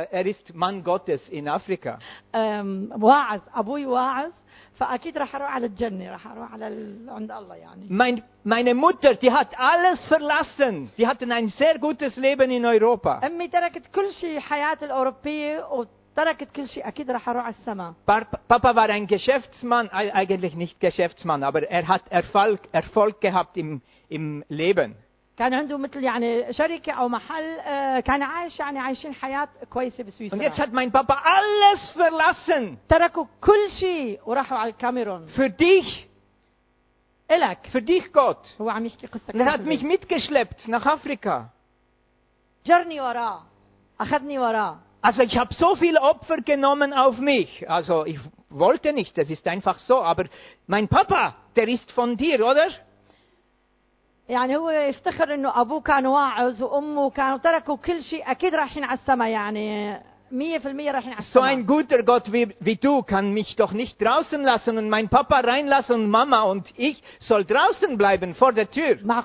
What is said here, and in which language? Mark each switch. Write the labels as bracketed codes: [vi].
[de] ist Mann Gottes in Afrika. [ar] واعظ أبوي واعظ فأكيد راح أروح على الجنة راح أروح على عند الله يعني. [de] Meine Mutter, die hat alles verlassen. Sie hatten ein sehr gutes Leben in Europa. [ar] أمي تركت كل شيء حياة الأوروبية و. تركت كل شيء اكيد راح اروح على السماء. [de] Papa war ein Geschäftsmann, eigentlich nicht Geschäftsmann, aber er hat Erfolg gehabt im Leben. [ar] كان عنده مثل يعني شركه او محل كان عايش يعني عايشين حياه كويسه بسويسرا. [de] Und jetzt hat mein Papa alles verlassen. [ar] تركوا كل شيء وراحوا على الكاميرون. [de] Für dich. [ar] إلك. [de] Für dich Gott. [ar] هو عم يحكي قصه. [de] Er hat mich mitgeschleppt nach Afrika. [ar] جرني وراه. اخذني وراه. [de] Also ich habe so viele Opfer genommen auf mich. Also ich wollte nicht, das ist einfach so. Aber mein Papa, der ist von dir, oder? [ar] يعني هو يفتخر إنه أبوه كان واعظ وأمه كانوا تركوا كل شيء أكيد راحين على السماء يعني [de] So ein guter Gott wie du kann mich doch nicht draußen lassen und mein Papa reinlassen und Mama und ich soll draußen bleiben vor der Tür.